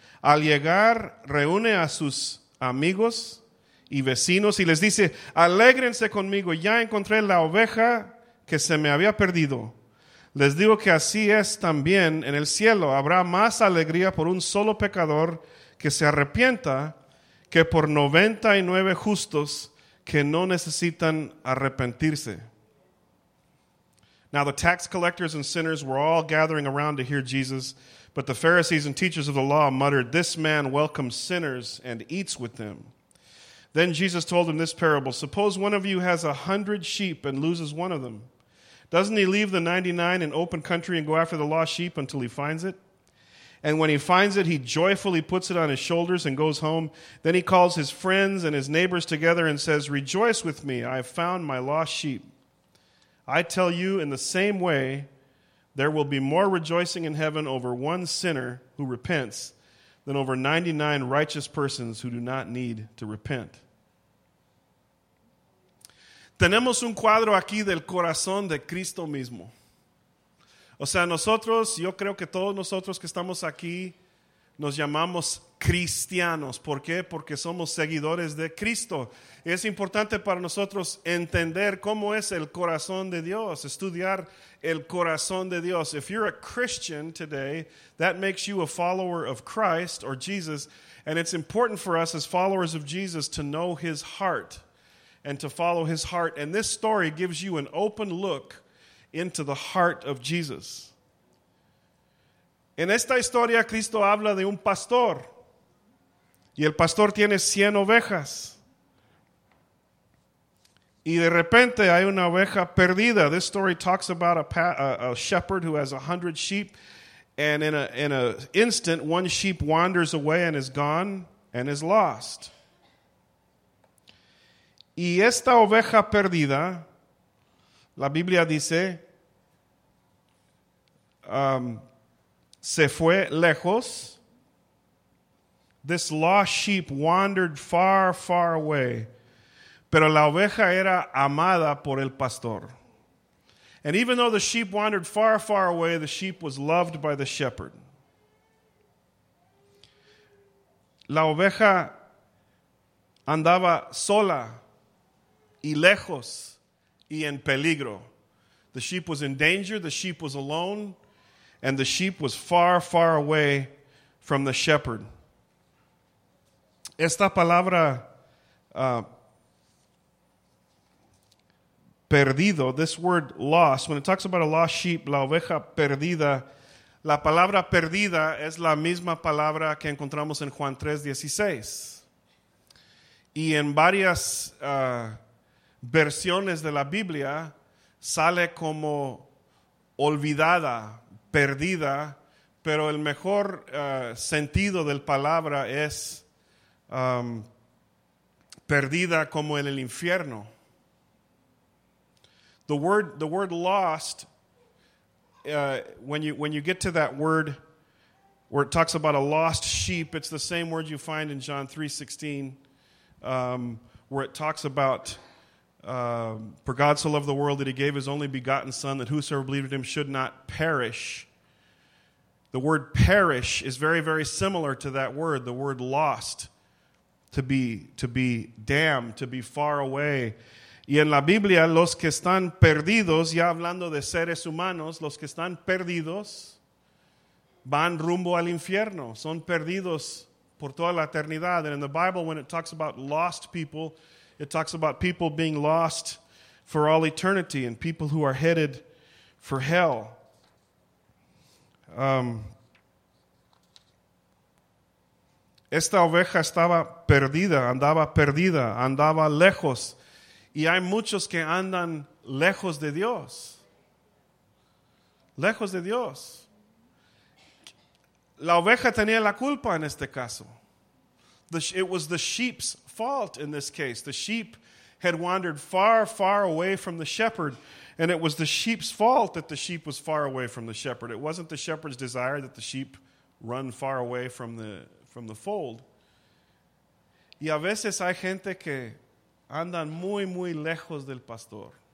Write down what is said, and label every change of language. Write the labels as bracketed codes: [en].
[es] Al llegar, reúne a sus amigos y vecinos y les dice, alégrense conmigo, ya encontré la oveja que se me había perdido. Les digo que así es también en el cielo. Habrá más alegría por un solo pecador que se arrepienta que por 99 justos que no necesitan arrepentirse. [en] Now the tax collectors and sinners were all gathering around to hear Jesus. But the Pharisees and teachers of the law muttered, this man welcomes sinners and eats with them. Then Jesus told them this parable. Suppose one of you has 100 sheep and loses one of them. Doesn't he leave the 99 in open country and go after the lost sheep until he finds it? And when he finds it, he joyfully puts it on his shoulders and goes home. Then he calls his friends and his neighbors together and says, rejoice with me, I have found my lost sheep. I tell you in the same way, there will be more rejoicing in heaven over one sinner who repents than over 99 righteous persons who do not need to repent. [es] Tenemos un cuadro aquí del corazón de Cristo mismo. O sea, nosotros, yo creo que todos nosotros que estamos aquí nos llamamos cristianos. ¿Por qué? Porque somos seguidores de Cristo. Es importante para nosotros entender cómo es el corazón de Dios, estudiar el corazón de Dios. [en] If you're a Christian today, that makes you a follower of Christ or Jesus. And it's important for us as followers of Jesus to know his heart and to follow his heart. And this story gives you an open look into the heart of Jesus. [es] En esta historia, Cristo habla de un pastor. Y el pastor tiene 100 ovejas. Y de repente hay una oveja perdida. [en] This story talks about a shepherd who has 100 sheep. And in an instant, one sheep wanders away and is gone and is lost. [es] Y esta oveja perdida La Biblia dice, se fue lejos. [en] This lost sheep wandered far, far away. [es] Pero la oveja era amada por el pastor. [en] And even though the sheep wandered far, far away, the sheep was loved by the shepherd. [es] La oveja andaba sola y lejos y en peligro. [en] The sheep was in danger, the sheep was alone, and the sheep was far, far away from the shepherd. [es] Esta palabra perdido, [en] this word lost, when it talks about a lost sheep, [es] la oveja perdida, la palabra perdida es la misma palabra que encontramos en Juan 3:16. Y en varias versiones de la Biblia sale como olvidada, perdida, pero el mejor sentido de la palabra es perdida como en el infierno. [en] The word lost, when you get to that word where it talks about a lost sheep, it's the same word you find in John 3:16, where it talks about for God so loved the world that he gave his only begotten son that whosoever believed in him should not perish. The word perish is very, very similar to that word, the word lost, to be damned, to be far away. [es] Y en la Biblia, los que están perdidos, ya hablando de seres humanos, los que están perdidos van rumbo al infierno. Son perdidos por toda la eternidad. [en] And in the Bible, when it talks about lost people, it talks about people being lost for all eternity and people who are headed for hell. [es] Esta oveja estaba perdida, andaba lejos. Y hay muchos que andan lejos de Dios. Lejos de Dios. La oveja tenía la culpa en este caso. [en] It was the sheep's fault in this case. The sheep had wandered far, far away from the shepherd. And it was the sheep's fault that the sheep was far away from the shepherd. It wasn't the shepherd's desire that the sheep run far away from the fold. [es] Y a veces hay gente que andan muy, muy lejos del pastor.